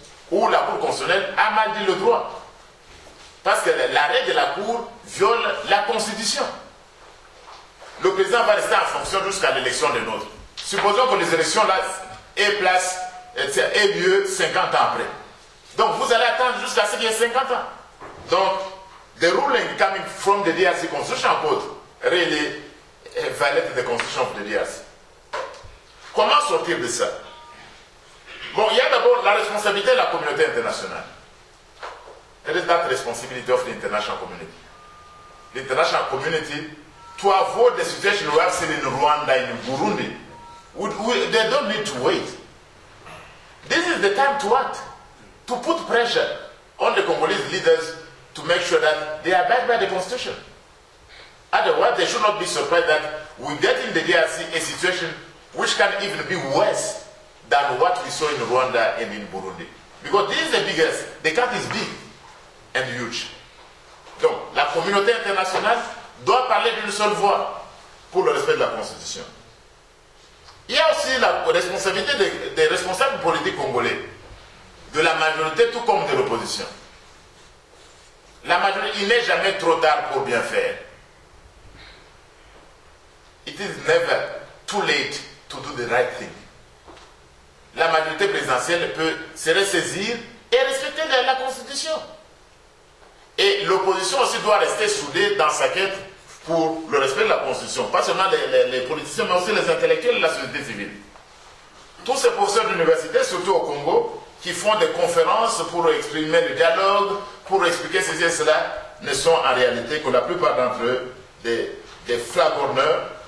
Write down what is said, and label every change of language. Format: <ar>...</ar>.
<fr>où la Cour constitutionnelle a mal dit le droit. Parce que l'arrêt de la Cour viole la Constitution. Le président va rester en fonction jusqu'à l'élection de l'autre. Supposons que les élections là aient lieu 50 ans après. Donc vous allez attendre jusqu'à ce qu'il y ait 50 ans. Donc,</fr> <en>the ruling coming from the DRC Constitution Code really violate the Constitution of the DRC.</en> <fr>Comment sortir de ça? Bon, il y a d'abord la responsabilité de la communauté internationale. Quelle est la responsabilité de l'international community?</fr> <en>L'international community, to avoid the situation we have seen in Rwanda, in Burundi, they don't need to wait. This is the time to act, to put pressure on the Congolese leaders to make sure that they abide by the constitution. Otherwise, they should not be surprised that we get in the DRC a situation which can even be worse than what we saw in Rwanda and in Burundi. Because this is the biggest, the gap is big and huge.</en> <fr>Donc, la communauté internationale doit parler d'une seule voix pour le respect de la Constitution. Il y a aussi la responsabilité des responsables politiques congolais, de la majorité tout comme de l'opposition. La majorité, il n'est jamais trop tard pour bien faire.</fr> <en>It is never too late to do the right thing.</en> <fr>La majorité présidentielle peut se ressaisir et respecter la Constitution. Et l'opposition aussi doit rester soudée dans sa quête pour le respect de la Constitution. Pas seulement les politiciens, mais aussi les intellectuels et la société civile. Tous ces professeurs d'université, surtout au Congo, qui font des conférences pour exprimer le dialogue, pour expliquer ceci et cela, ne sont en réalité que la plupart d'entre eux des flagorneurs.</fr>